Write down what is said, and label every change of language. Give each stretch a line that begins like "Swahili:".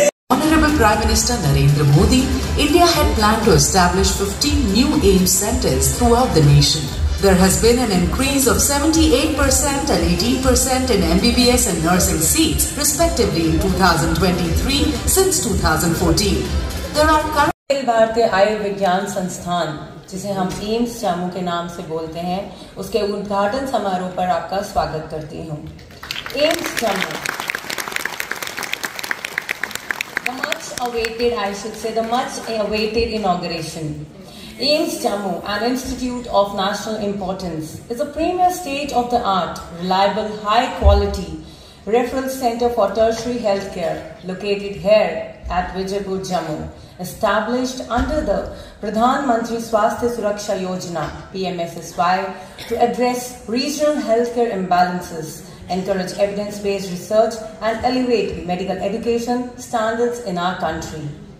English: Honorable Prime Minister Narendra Modi, India had planned to establish 15 new AIIMS centers throughout the nation. There has been an increase of 78% and 18% in MBBS and nursing seats, respectively, in 2023 since 2014. There are
Hindi: current Akhil Bharatiya Ayurvigyan Sansthan, जिसे हम AIIMS Jammu के नाम से बोलते हैं, उसके उद्घाटन समारोह पर आपका स्वागत करती हूँ।
English: AIIMS जम्मू, the much awaited, I should say, the much awaited inauguration. AIIMS Jammu, an institute of national importance, is a premier state-of-the-art, reliable, high-quality referral center for tertiary healthcare located here at Vijaypur, Jammu, established under the Pradhan Mantri Swasthya Suraksha Yojana, PMSSY, to address regional healthcare imbalances, encourage evidence-based research, and elevate medical education standards in our country.